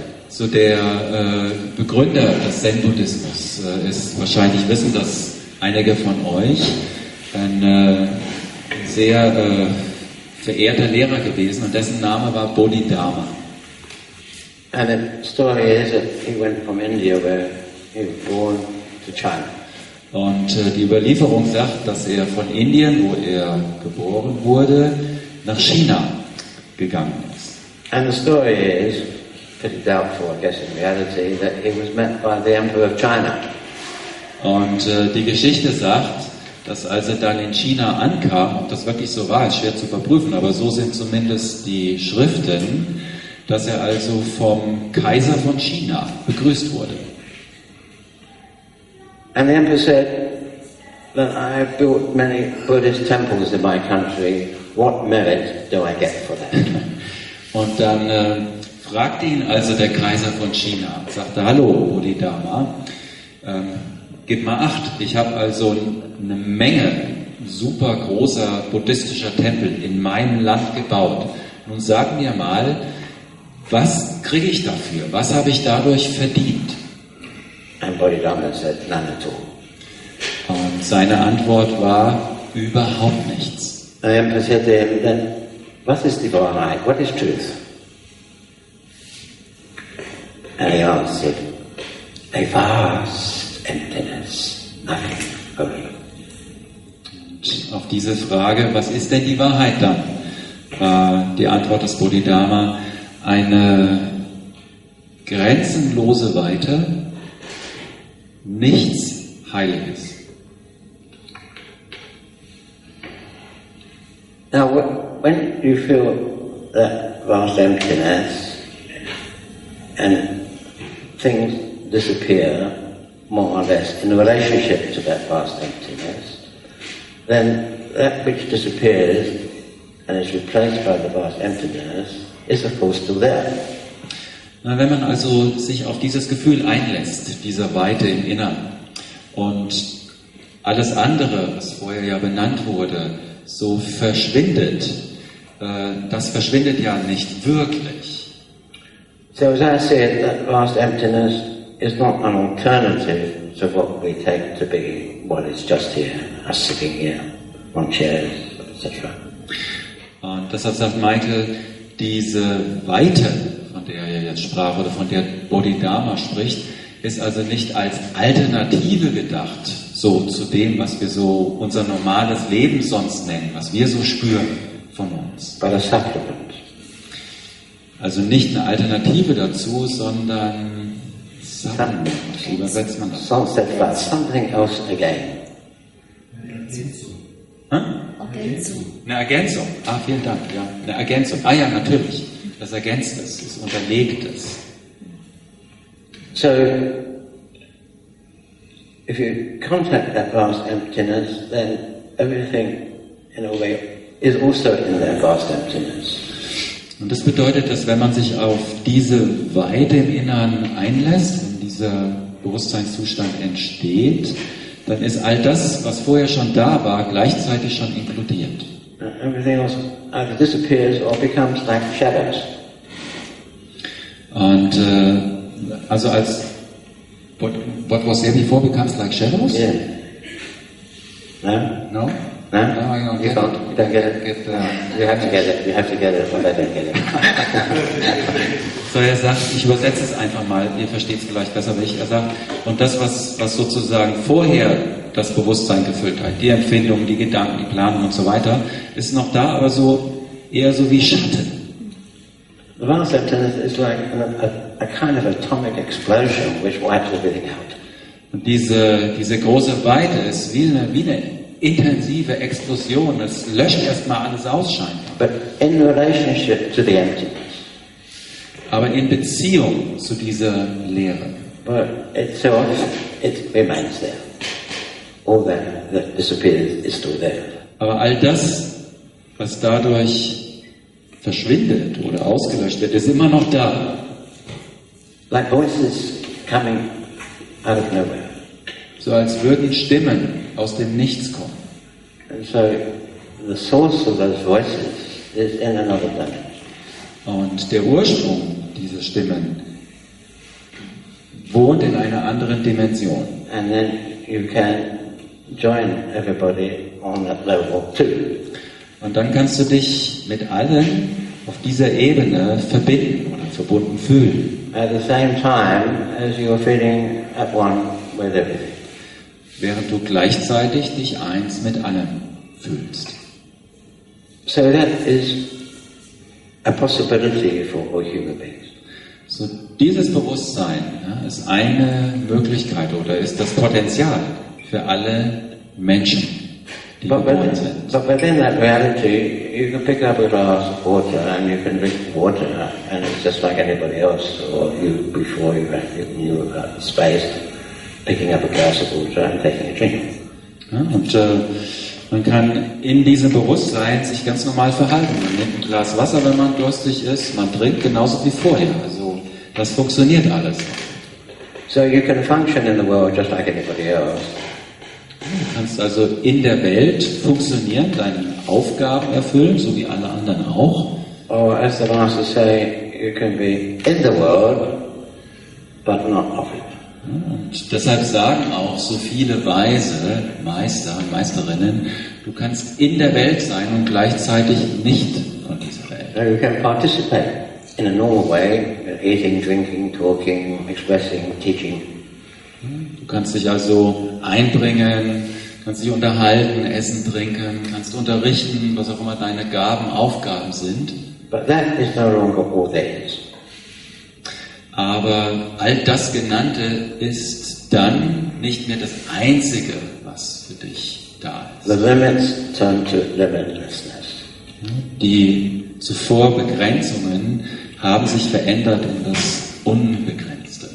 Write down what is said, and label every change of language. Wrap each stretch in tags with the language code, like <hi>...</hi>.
<de>So der Begründer des Zen-Buddhismus ist wahrscheinlich, wissen das einige von euch, ein sehr verehrter Lehrer gewesen und dessen Name war Bodhidharma.</de> <en>And the story is that he went from India where he was born to China.</en> <de>Und die Überlieferung sagt, dass er von Indien, wo er geboren wurde, nach China gegangen ist.</de> <en>And the story is pretty doubtful, I guess, in reality, that he was met by the Emperor of China.</en> <de>Und die Geschichte sagt, dass als er dann in China ankam, ob das wirklich so war, ist schwer zu überprüfen, aber so sind zumindest die Schriften, dass er also vom Kaiser von China begrüßt wurde.</de> <en>And the emperor said that I have built many Buddhist temples in my country. What merit do I get for that?</en> <de>Und dann fragte ihn also der Kaiser von China und sagte, hallo Bodhidharma, gib mal acht, ich habe also eine Menge super großer buddhistischer Tempel in meinem Land gebaut. Nun sag mir mal, was kriege ich dafür? Was habe ich dadurch verdient?</de> <en>And Bodhidharma said, none at all.</en> <de>Und seine Antwort war, überhaupt nichts.</de> <en>The emperor said to him, then, what is the Wahrheit? What is truth? And he answered, a vast emptiness, nothing for you.</en> <de>Auf diese Frage, was ist denn die Wahrheit dann? War die Antwort des Bodhidharma eine grenzenlose Weite, nichts Heiliges.</de> <en>Now, when you feel that vast emptiness and things disappear more or less in relationship to that vast emptiness, then that which disappears and is replaced by the vast emptiness, is of course still there.</en> <de>Na, wenn man also sich auf dieses Gefühl einlässt, dieser Weite im Innern, und alles andere, was vorher ja benannt wurde, so verschwindet, das verschwindet ja nicht wirklich.</de> <en>So as I say, that vast emptiness is not an alternative to what we take to be what is just here, us sitting here on chairs, etc.</en> <de>Und deshalb sagt Michael, diese Weite, von der er jetzt sprach, oder von der Bodhidharma spricht, ist also nicht als Alternative gedacht, so zu dem, was wir so unser normales Leben sonst nennen, was wir so spüren von uns.</de> <en>But a supplement.</en> <de>Also nicht eine Alternative dazu, sondern Supplement. Wie übersetzt man das?</de> <en>Something else again.</en> <de>Ergänzung. Eine Ergänzung. Ah, vielen Dank. Ja. Eine Ergänzung. Ah ja, natürlich. Das ergänzt es, es unterlegt es.</de> <en>So, if you contact that vast emptiness, then everything, in a way, is also in that vast emptiness.</en> <de>Und das bedeutet, dass wenn man sich auf diese Weite im Innern einlässt, wenn dieser Bewusstseinszustand entsteht, dann ist all das, was vorher schon da war, gleichzeitig schon inkludiert.</de> <en>Everything else either disappears or becomes like shadows.</en> <de>Und also als</de> <en>what was there before becomes like shadows? Yeah. No? No? No? No, I don't get it. You don't get it. You have to get it, but I don't get it.</en> <de>So er sagt, ich übersetze es einfach mal, ihr versteht es vielleicht besser, wenn ich er sagt, und das, was sozusagen vorher das Bewusstsein gefüllt hat, die Empfindungen, die Gedanken, die Planung und so weiter, ist noch da, aber so eher so wie Schatten.</de> <en>The vast emptiness is like a kind of atomic explosion which wipes everything out.</en> <de>Und diese große Weite ist wie eine intensive Explosion, es löscht erstmal alles aus, scheinbar.</de> <en>But in relationship to the emptiness.</en> <de>Aber in Beziehung zu dieser Leere.</de> <en>But it's so often, it remains there. All that disappears is still there.</en> <de>Aber all das, was dadurch verschwindet oder ausgelöscht wird, ist immer noch da.</de> <en>Like voices coming out of nowhere.</en> <de>So als würden Stimmen aus dem Nichts kommen.</de> <en>And so the source of those voices is in another dimension.</en> <de>Und der Ursprung dieser Stimmen wohnt in einer anderen Dimension.</de> <en>And then you can join everybody on that level too.</en> <de>Und dann kannst du dich mit allen auf dieser Ebene verbinden oder verbunden fühlen.</de> <en>At the same time as you are feeling at one with everything.</en> <de>Während du gleichzeitig dich eins mit allem fühlst.</de> <en>So that is a possibility for all human beings.</en> <de>So dieses Bewusstsein, ja, ist eine Möglichkeit oder ist das Potenzial für alle Menschen, die geboren sind.</de> <en>But within that reality, you can pick up a glass of water and you can drink water and it's just like anybody else or you before you knew about the space. Picking up a glass of water and taking a drink.</en> <de>Ja, und man kann in diesem Bewusstsein sich ganz normal verhalten. Man nimmt ein Glas Wasser, wenn man durstig ist. Man trinkt genauso wie vorher. Also das funktioniert alles.</de> <en>So you can function in the world just like anybody else.</en> <de>Du kannst also in der Welt funktionieren, deine Aufgaben erfüllen, so wie alle anderen auch.</de> <en>Or as the Master say, you can be in the world, but not of it.</en> <de>Und deshalb sagen auch so viele weise Meister und Meisterinnen, du kannst in der Welt sein und gleichzeitig nicht von dieser Welt.</de> <en>You can participate in a normal way, eating, drinking, talking, expressing, teaching.</en> <de>Du kannst dich also einbringen, kannst dich unterhalten, essen, trinken, kannst unterrichten, was auch immer deine Gaben, Aufgaben sind.</de> <en>But that is no longer all there is.</en> <de>Aber all das Genannte ist dann nicht mehr das Einzige, was für dich da ist.</de> <en>The limits turn to limitlessness.</en> <de>Die zuvor Begrenzungen haben sich verändert in das Unbegrenzte.</de>